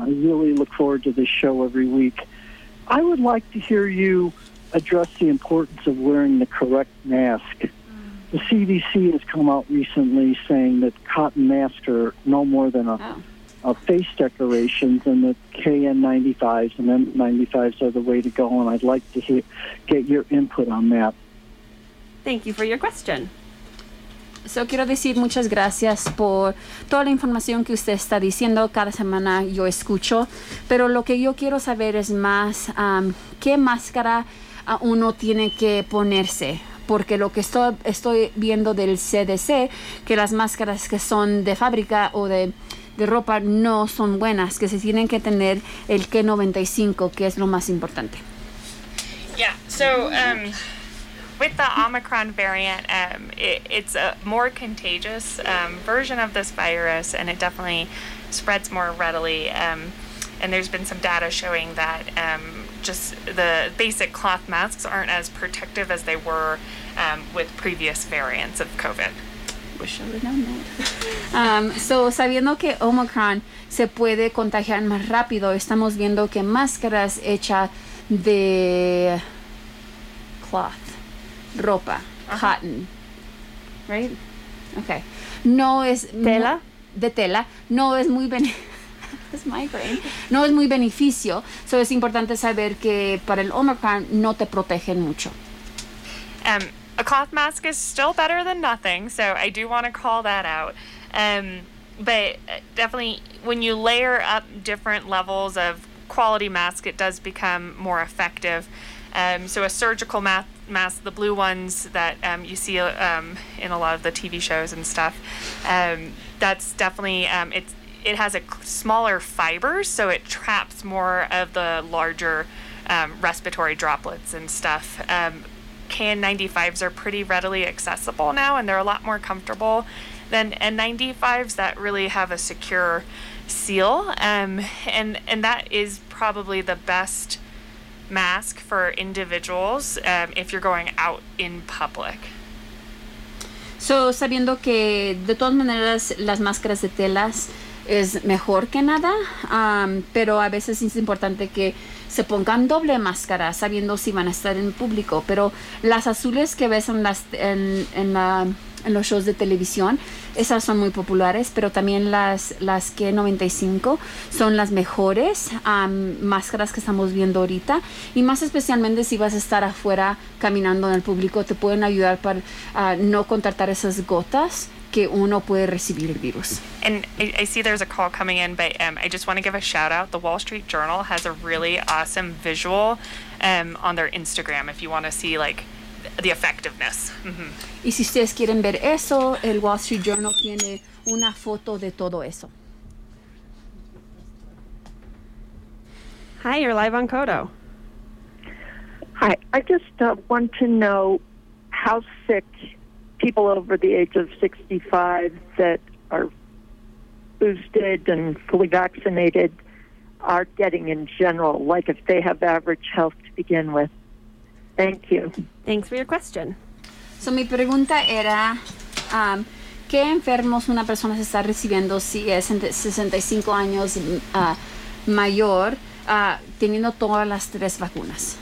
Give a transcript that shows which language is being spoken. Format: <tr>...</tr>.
<en>I really look forward to this show every week. I would like to hear you address the importance of wearing the correct mask. The CDC has come out recently saying that cotton masks are no more than a face decoration, and that KN95s and N95s are the way to go, and I'd like to get your input on that. Thank you for your question.</en> <es>So quiero decir muchas gracias por toda la información que usted está diciendo. Cada semana yo escucho, pero lo que yo quiero saber es más qué máscara uno tiene que ponerse, porque lo que estoy viendo del CDC, que las máscaras que son de fábrica o de ropa no son buenas, que se tienen que tener el K95, que es lo más importante.</es> <en>Yeah, so with the Omicron variant, it's a more contagious version of this virus, and it definitely spreads more readily. And there's been some data showing that just the basic cloth masks aren't as protective as they were with previous variants of COVID. Wish I would have known that.</en> <es>So, sabiendo que Omicron se puede contagiar más rápido, estamos viendo que máscaras hecha de cloth. Ropa, uh-huh.</es> <en>Cotton, right? Okay.</en> <es>No es tela. De tela. No es muy es migraine. No es muy beneficio. So es importante saber que para el Omicron no te protegen mucho.</es> <en>A cloth mask is still better than nothing. So I do want to call that out. But definitely when you layer up different levels of quality mask, it does become more effective. So a surgical mask, the blue ones that you see in a lot of the TV shows and stuff, that's definitely, it has a smaller fiber, so it traps more of the larger respiratory droplets and stuff. KN95s are pretty readily accessible now, and they're a lot more comfortable than N95s that really have a secure seal. And that is probably the best mask for individuals if you're going out in public.</en> <es>So, sabiendo que de todas maneras las máscaras de telas es mejor que nada, pero a veces es importante que se pongan doble máscara sabiendo si van a estar en público. Pero las azules que ves en los shows de televisión, esas son muy populares, pero también las K95 son las mejores máscaras que estamos viendo ahorita, y más especialmente si vas a estar afuera caminando en el público, te pueden ayudar para no contactar esas gotas que uno puede recibir el virus.</es> <en>And I see there's a call coming in, but I just want to give a shout out. The Wall Street Journal has a really awesome visual on their Instagram if you want to see like the effectiveness.</en> <es>Mm-hmm. Y si ustedes quieren ver eso, el Wall Street Journal tiene una foto de todo eso.</es> <en>Hi, you're live on CODO. Hi, I just want to know how sick people over the age of 65 that are boosted and fully vaccinated are getting in general, like if they have average health to begin with. Thank you. Thanks for your question.</en> <es>So mi pregunta era, ¿qué enfermos una persona se está recibiendo si es 65 años mayor, teniendo todas las tres vacunas?</es>